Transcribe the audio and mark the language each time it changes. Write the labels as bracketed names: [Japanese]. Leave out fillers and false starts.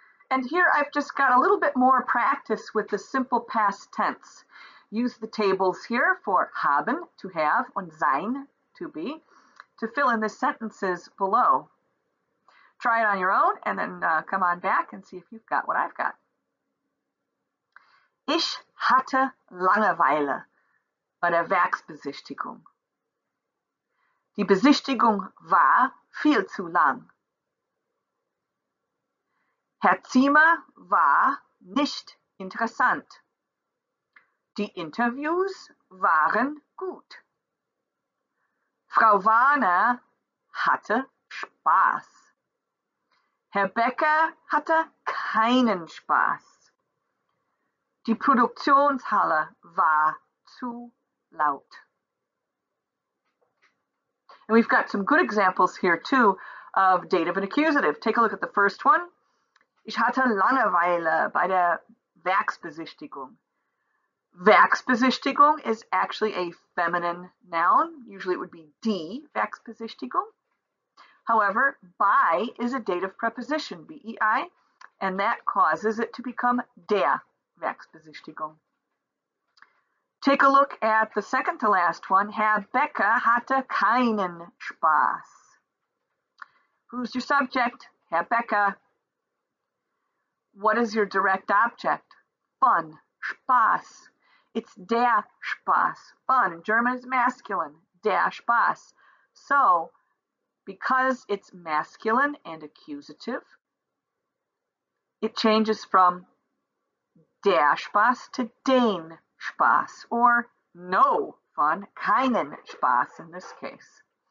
[English] And here I've just got a little bit more practice with the simple past tense. Use the tables here for haben, to have, und sein, to be, to fill in the sentences below. Try it on your own and then come on back and see if you've got what I've got. [German] Ich hatte Langeweile bei der Werksbesichtigung. Die Besichtigung war viel zu lang. Herr Zimmer war nicht interessant. Die Interviews waren gut. Frau Warner hatte Spaß. Herr Becker hatte keinen Spaß. Die Produktionshalle war zu laut. [English] And we've got some good examples here too of dative and accusative. Take a look at the first one. [German] Ich hatte Langeweile bei der Werksbesichtigung. [English] Werksbesichtigung is actually a feminine noun. Usually it would be die Werksbesichtigung. However, by is a dative preposition, B-E-I, and that causes it to become der Werksbesichtigung. Take a look at the second to last one. Herr Becker hatte keinen Spaß. Who's your subject? Herr Becker. What is your direct object? Fun, Spaß. It's der Spaß. Fun in German is masculine, der Spaß. So, because it's masculine and accusative, it changes from der Spaß to den Spaß, or no fun, keinen Spaß in this case.